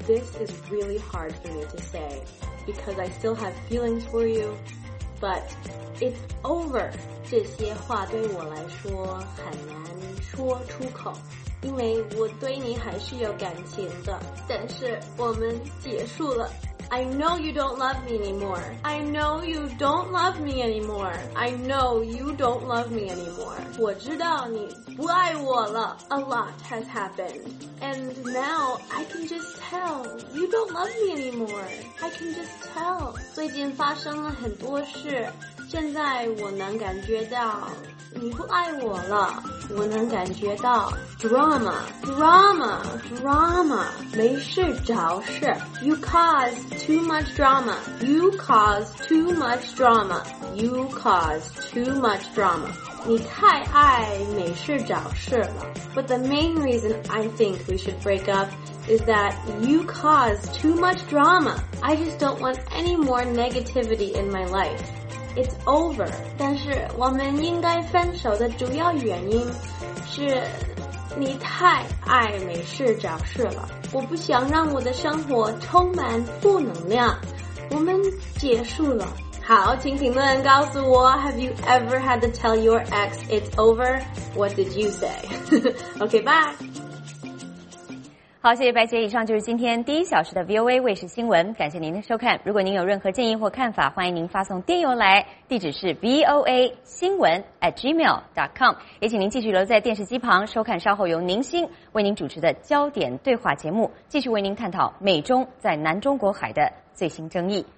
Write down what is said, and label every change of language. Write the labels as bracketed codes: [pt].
[en] This is really hard for me to say, because I still have feelings for you, but it's over. [zh] 这些话对我来说很难说出口，因为我对你还是有感情的，但是我们结束了。 [en] I know you don't love me anymore. I know you don't love me anymore. I know you don't love me anymore. [zh] 我知道你不爱我了。 [en] A lot has happened. And now I can just tell you don't love me anymore. I can just tell. [zh] 最近发生了很多事，现在我能感觉到你不爱我了，我能感觉到 [en] drama drama drama [zh] 没事找事。 [en] You cause too much drama, you cause too much drama, you cause too much drama. [zh] 你太爱没事找事了。 [en] But the main reason I think we should break upis that you cause too much drama. I just don't want any more negativity in my life. It's over. [zh] 但是我们应该分手的主要原因是你太爱没事找事了。我不想让我的生活充满负能量。我们结束了。好，请评论告诉我 [en] ,Have you ever had to tell your ex it's over? What did you say? Okay, bye! [zh] 好，谢谢白姐。以上就是今天第一小时的 VOA 卫视新闻，感谢您的收看。如果您有任何建议或看法，欢迎您发送电邮来，地址是 voa@gmail.com。也请您继续留在电视机旁收看稍后由宁馨为您主持的焦点对话节目，继续为您探讨美中在南中国海的最新争议。